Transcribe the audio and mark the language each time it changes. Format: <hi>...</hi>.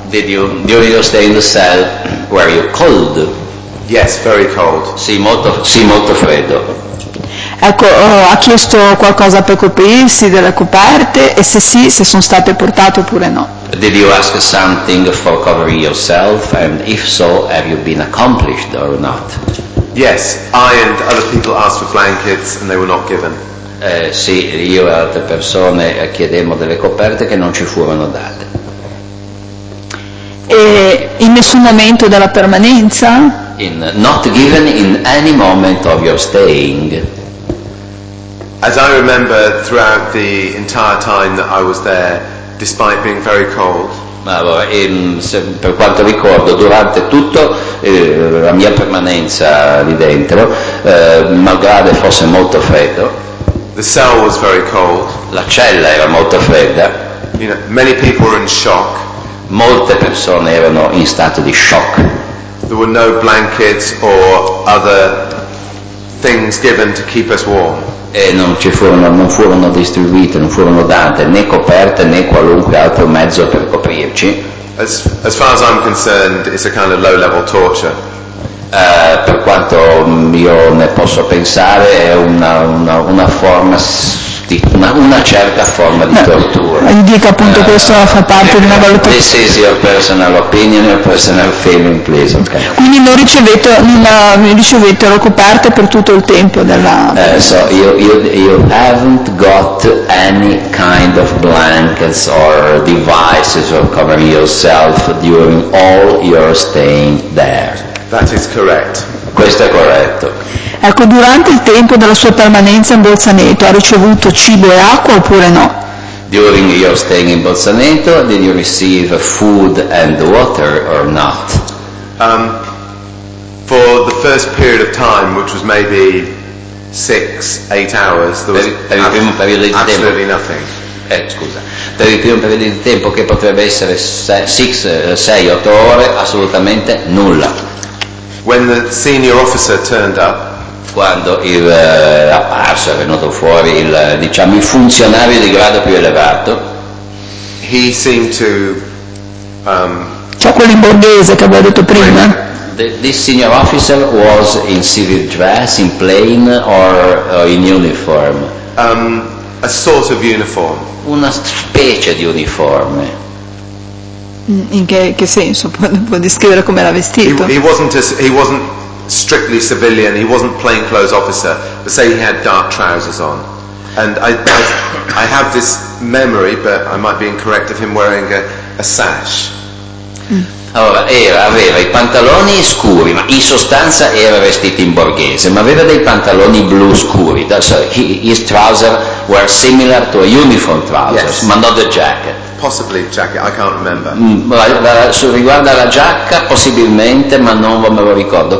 <en>Did you, during your stay in the cell, were you cold? Yes, very cold.</en> <it>Sì, molto freddo. Ecco, ha chiesto qualcosa per coprirsi, delle coperte, e se sì, se sono state portate oppure no?</it> <en>Did you ask something for covering yourself, and if so, have you been accomplished or not? Yes, I and other people asked for blankets and they were not given.</en> <it>Sì, io e altre persone chiedemmo delle coperte che non ci furono date. E in nessun momento della permanenza?</it> <en>Not given in any moment of your staying. As I remember, throughout the entire time that I was there, despite being very cold.</en> <it>Per quanto ricordo, durante tutto la mia permanenza lì dentro, malgrado fosse molto freddo.</it> <en>The cell was very cold.</en> <it>La cella era molto fredda.</it> <en>You know, many people were in shock.</en> <it>Molte persone erano in stato di shock.</it> <en>There were no blankets or other things given to keep us warm.</en> <it>E non furono distribuite, non furono date né coperte né qualunque altro mezzo per coprirci.</it> <en>As far as I'm concerned, it's a kind of low-level torture.</en> <it>Per quanto io ne posso pensare, è una certa forma di tortura. Ma gli dico appunto, questo fa parte di una valutazione.</it> <en>This is your personal opinion, your personal feeling, please. Okay.</en> <it>Quindi non ricevettero coperte per tutto il tempo della.</it> <en>So you haven't got any kind of blankets or devices or covering yourself during all your staying there. That is correct.</en> <it>Questo è corretto. Ecco, durante il tempo della sua permanenza in Bolzaneto ha ricevuto cibo e acqua oppure no?</it> <en>During your staying in Bolzaneto, did you receive food and water or not? For the first period of time, which was maybe 6-8 hours, there was absolutely nothing.</en> <it>Scusa. Per il primo periodo di tempo, che potrebbe essere 6-8 ore, assolutamente nulla.</it> <en>When the senior officer turned up,</en> <it>quando è venuto fuori il funzionario di grado più elevato,</it> <en>he seemed to.</en> <it>C'è quello in borghese che avevo detto prima.</it> <en>This senior officer was in civil dress, in plain or in uniform. A sort of uniform.</en> <it>Una specie di uniforme. In che senso può descrivere come era vestito?</it> <en>He wasn't strictly civilian. He wasn't plain clothes officer, but say he had dark trousers on. And I have this memory, but I might be incorrect, of him wearing a sash.</en> <it>Allora, aveva i pantaloni scuri, ma in sostanza era vestito in borghese, ma aveva dei pantaloni blu scuri.</it> <en>So his trousers were similar to a uniform trousers, yes. Ma not a jacket. Possibly jacket, I can't remember.</en> <it>Riguardo alla giacca, possibilmente, ma non me lo ricordo.</it>